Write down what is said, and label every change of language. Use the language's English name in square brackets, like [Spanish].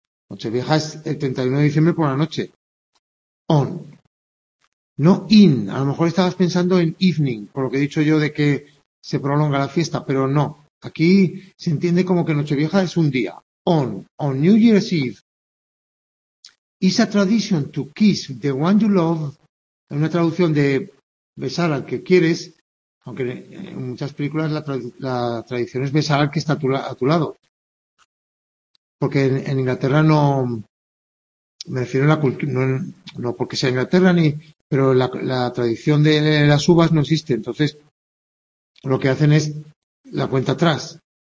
[Spanish] Nochevieja es el 31 de diciembre por la noche. On. No in, a lo mejor estabas pensando en evening, por lo que he dicho yo de que se prolonga la fiesta, pero no. Aquí se entiende como que Nochevieja es un día. [English] On New Year's Eve. It's a tradition to kiss the one you love. [Spanish] Es una traducción de besar al que quieres, aunque en muchas películas la tradición es besar al que está a tu lado. Porque en Inglaterra no, me refiero a la cultura, no porque sea Inglaterra ni. Pero la tradición de las uvas no existe. Entonces, lo que hacen es la cuenta atrás.